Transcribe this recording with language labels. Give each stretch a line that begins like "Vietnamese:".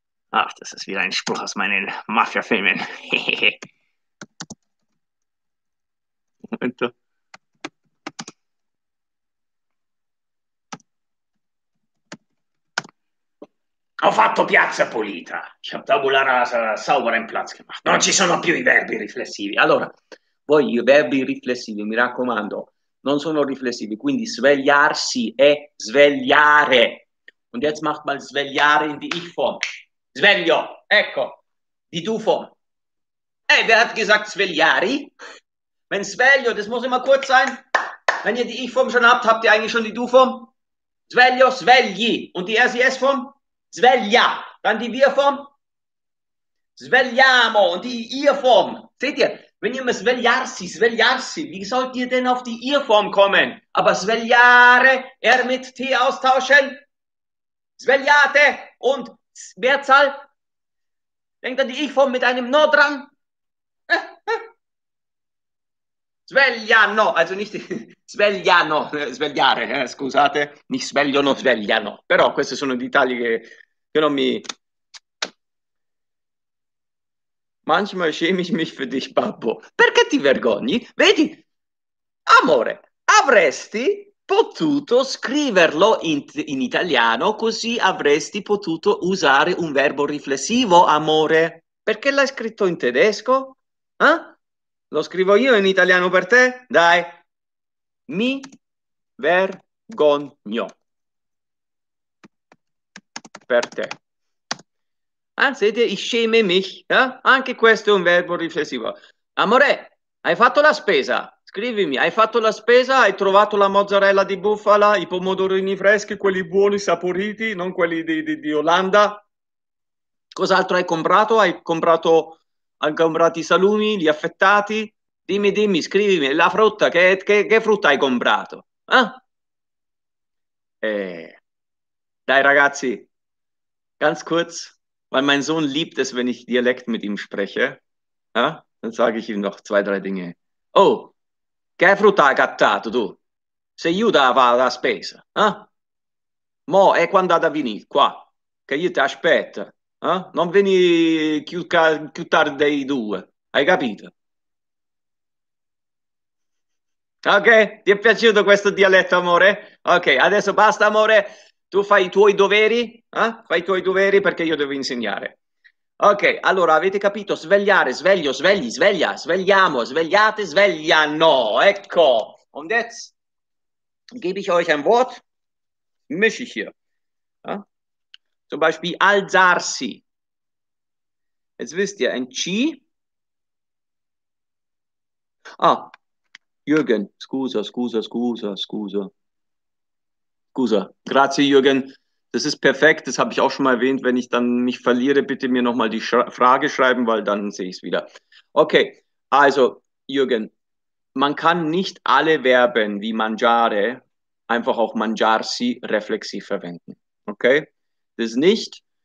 German: Ah, das ist wieder ein Spruch aus meinen Mafia-Filmen.
Italian: Momento. Ho fatto piazza pulita.
German: Ich habe tabula rasa sauber in Platz gemacht.
Italian: Non ci sono più i verbi riflessivi. Allora, voi i verbi riflessivi, mi raccomando, non sono riflessivi, quindi svegliarsi è svegliare.
German: Und jetzt macht mal svegliare in die Ich-Form.
Italian: Sveglio, ecco,
German: die Du-Form. Wer hat gesagt svegliari? Wenn sveglio, das muss immer kurz sein. Wenn ihr die Ich-Form schon habt, habt ihr eigentlich schon die Du-Form? Sveglio, svegli. Und die SIS-Form? Sveglia. Dann die Wir-Form? Svegliamo. Und die Ihr-Form? Seht ihr? Wenn ihr mal svegliarsi, svegliarsi, wie sollt ihr denn auf die Ihr-Form kommen? Aber svegliare, er mit T austauschen. Svegliate und Mehrzahl. Denkt an die Ich-Form mit einem No dran.
Italian: Svegliano,
German: also nicht
Italian: svegliano, svegliare, scusate, mi svegliano, svegliano. Però questi sono i dettagli che non mi...
German: Manchmal schäme ich mich für dich, Babbo.
Italian: Perché ti vergogni? Vedi, amore, avresti potuto scriverlo in italiano, così avresti potuto usare un verbo riflessivo, amore. Perché l'hai scritto in tedesco? Eh? Lo scrivo io in italiano per te? Dai. Mi vergogno. Per te. Anzi,
German: ich schäme mich.
Italian: Eh? Anche questo è un verbo riflessivo. Amore, hai fatto la spesa? Scrivimi, hai fatto la spesa? Hai trovato la mozzarella di bufala, i pomodorini freschi, quelli buoni, saporiti, non quelli di Olanda? Cos'altro hai comprato? Hai comprato i salumi, gli affettati? Dimmi, dimmi, scrivimi, la frutta, che frutta hai comprato? Eh? Dai ragazzi,
German: ganz kurz, weil mein Sohn liebt es, wenn ich Dialekt mit ihm spreche, eh? Dann sage ich ihm noch zwei, drei Dinge.
Italian: Oh, che frutta hai cattato tu? Sei io da la spesa, eh? Mo, è quando da venire qua, che io ti aspetto. Eh? Non veni più tardi dei due, hai capito? Ok, ti è piaciuto questo dialetto, amore? Ok, adesso basta, amore, tu fai i tuoi doveri, eh? Fai i tuoi doveri perché io devo insegnare. Ok, allora, avete capito? Svegliare, sveglio, svegli, sveglia, svegliamo, svegliate, svegliano, ecco.
German: Und jetzt gebe ich euch ein Wort, mische ich hier. Eh? Zum Beispiel alzarsi. Jetzt wisst ihr, ein C.
Italian: Ah, Jürgen, scusa, scusa, scusa, scusa. Scusa, grazie Jürgen.
German: Das ist perfekt, das habe ich auch schon mal erwähnt. Wenn ich dann mich verliere, bitte mir nochmal die Frage schreiben, weil dann sehe ich es wieder. Okay, also Jürgen, man kann nicht alle Verben wie mangiare, einfach auch mangiarsi, reflexiv verwenden. Okay? Das nicht.